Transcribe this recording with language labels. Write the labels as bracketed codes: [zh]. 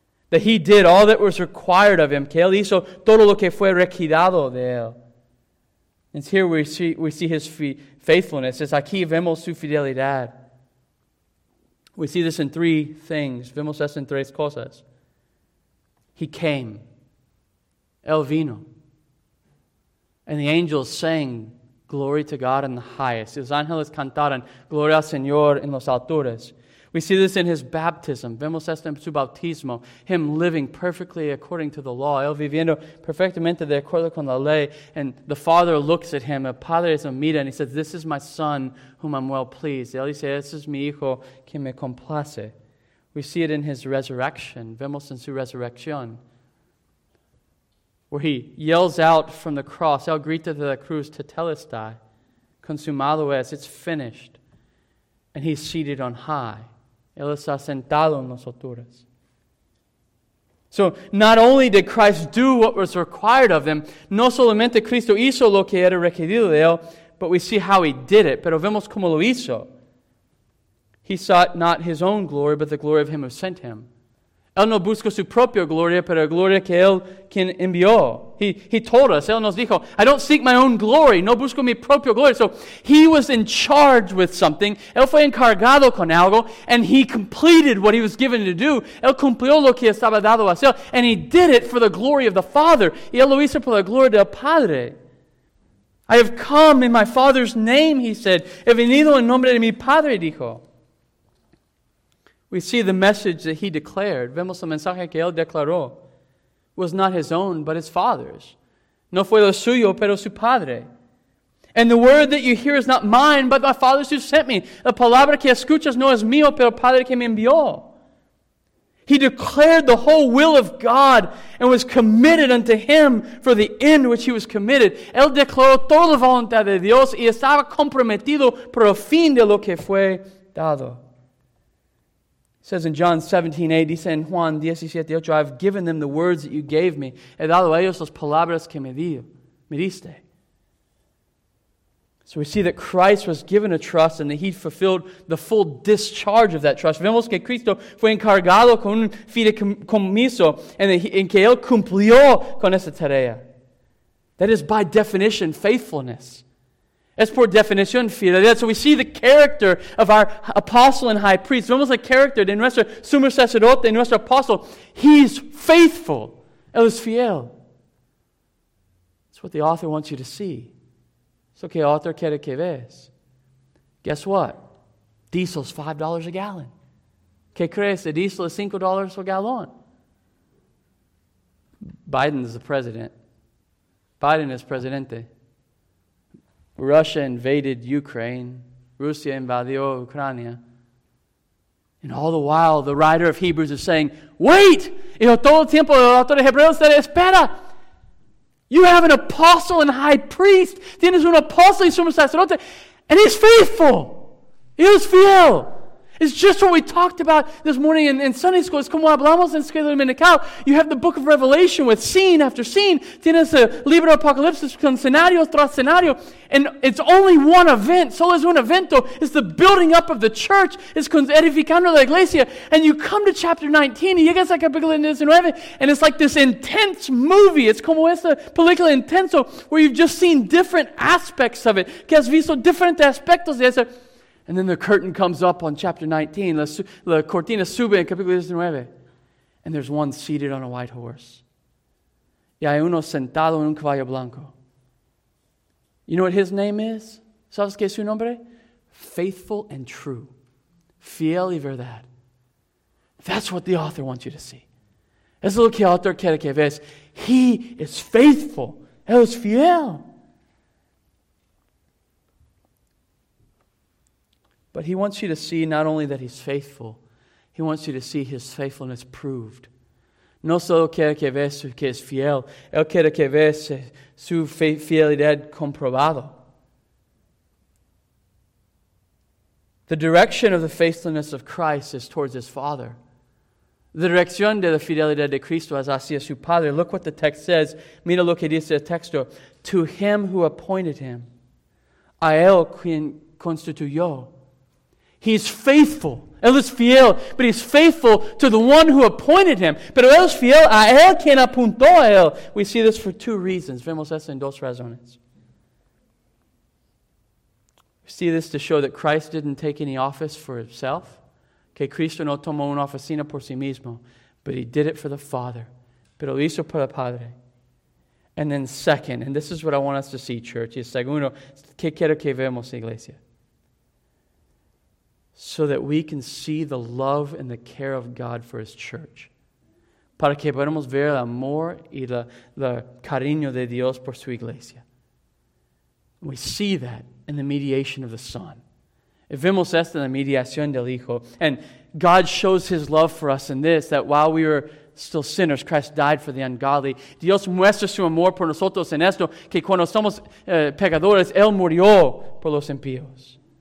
[en] That he did all that was required of him. [es] Que él hizo todo lo que fue requerido de él. [en] And here we see his faithfulness. [es] Es aquí vemos su fidelidad. [en] We see this in three things. [es] Vemos esto en tres cosas. [en] He came. [es] El vino. [en] And the angels sang, glory to God in the highest. [es] Los ángeles cantaron, gloria al Señor en las alturas. [en] We see this in his baptism. [es] Vemos esto en su bautismo. [en] Him living perfectly according to the law. [es] Él viviendo perfectamente de acuerdo con la ley. [en] And the Father looks at him. [es] El Padre se mira [en] and he says, this is my Son whom I'm well pleased. [es] Él dice, este es mi Hijo que me complace. [en] We see it in his resurrection. [es] Vemos en su resurrección. [en] Where he yells out from the cross. [es] Él grita de la cruz, tetelestai. Consumado es, [en] it's finished. And he's seated on high. [es] Él está sentado en las alturas. [en] So, not only did Christ do what was required of him, [es] no solamente Cristo hizo lo que era requerido de él, [en] but we see how he did it. [es] Pero vemos cómo lo hizo. [en] He sought not his own glory, but the glory of him who sent him. [es] Él no buscó su propia gloria, pero la gloria que él quien envió. [en] He told us, [es] él nos dijo, [en] I don't seek my own glory, [es] no busco mi propia gloria. [en] So he was in charge with something, [es] él fue encargado con algo, [en] and he completed what he was given to do. [es] Él cumplió lo que estaba dado a hacer, [en] and he did it for the glory of the Father. [es] Y él lo hizo por la gloria del Padre. [en] I have come in my Father's name, he said. [es] He venido en nombre de mi Padre, dijo. [en] We see the message that he declared. [es] Vemos el mensaje que él declaró. [en] Was not his own, but his Father's. [es] No fue lo suyo, pero su Padre. [en] And the word that you hear is not mine, but my Father's who sent me. [es] La palabra que escuchas no es mío, pero el Padre que me envió. [en] He declared the whole will of God and was committed unto him for the end which he was committed. [es] Él declaró toda la voluntad de Dios y estaba comprometido por el fin de lo que fue dado. [en] It says in John 17:8, [es] dice en Juan 17:8, [en] I have given them the words that you gave me. [es] He dado a ellos las palabras que me diste. [en] So we see that Christ was given a trust and that he fulfilled the full discharge of that trust. [es] Vemos que Cristo fue encargado con un fideicomiso en que él cumplió con esa tarea. [en] That is by definition faithfulness. [es] Es por definición fidelidad. [en] So we see the character of our apostle and high priest. [es] Vemos el character de nuestro sumo sacerdote, nuestro apostle. [en] He's faithful. [es] Él es fiel. [en] That's what the author wants you to see. [es] So que el autor quiere que veas. [en] Guess what? Diesel's $5 a gallon. [es] ¿Qué crees? El diesel es $5 a gallon. [en] Biden is the president. [es] Biden is presidente. [en] Russia invaded Ukraine. [es] Rusia invadió Ucrania. [en] And all the while, the writer of Hebrews is saying, wait! [es] Y todo el tiempo, el autor de Hebreos [en] said, [es] espera! [en] You have an apostle and high priest. [es] Tienes un apóstol y sumo sacerdote. [en] And he's faithful. He is fiel. It's just what we talked about this morning in Sunday school. [es] Es como hablamos en Escuela Dominical. [en] You have the book of Revelation with scene after scene. [es] Tienes el libro Apocalipsis con escenario tras escenario. [en] And it's only one event. [es] Solo es un evento. [en] It's the building up of the church. [es] Es con edificando la iglesia. [en] And you come to chapter 19 [es] y llegas al capítulo 19 [en] and it's like this intense movie. [es] Es como esta película intenso [en] where you've just seen different aspects of it. [es] Que has visto diferentes aspectos de eso. [en] And then the curtain comes up on chapter 19. [es] La cortina sube en capítulo 19. [en] And there's one seated on a white horse. [es] Y hay uno sentado en un caballo blanco. [en] You know what his name is? [es] ¿Sabes qué es su nombre? [en] Faithful and true. [es] Fiel y verdad. [en] That's what the author wants you to see. [es] Eso es lo que el autor quiere que veas. [en] He is faithful. [es] Él es fiel. [en] But he wants you to see not only that he's faithful, he wants you to see his faithfulness proved. [es] No solo quiere que veas que es fiel, él quiere que veas su fidelidad comprobado. [en] The direction of the faithfulness of Christ is towards his Father. [es] La dirección de la fidelidad de Cristo es hacia su Padre. [en] Look what the text says. [es] Mira lo que dice el texto. [en] To him who appointed him, [es] a él quien constituyó. [en] He's faithful. [es] Él es fiel, [en] but he's faithful to the one who appointed him. [es] Pero él es fiel a él quien apuntó a él. [en] We see this for two reasons. [es] Vemos eso en dos razones. [en] We see this to show that Christ didn't take any office for himself. [es] Que Cristo no tomó una oficina por sí mismo. [en] But he did it for the Father. [es] Pero lo hizo por el Padre. [en] And then second, and this is what I want us to see, church. [es] Y segundo, ¿qué quiero que vemos, iglesia? [en] So that we can see the love and the care of God for his church. [es] Para que podamos ver el amor y el cariño de Dios por su iglesia. [en] We see that in the mediation of the Son. [es] Vemos esto en la mediación del Hijo. [en] And God shows his love for us in this, that while we were still sinners, Christ died for the ungodly. [es] Dios muestra su amor por nosotros en esto, que cuando somos pecadores, él murió por los impíos.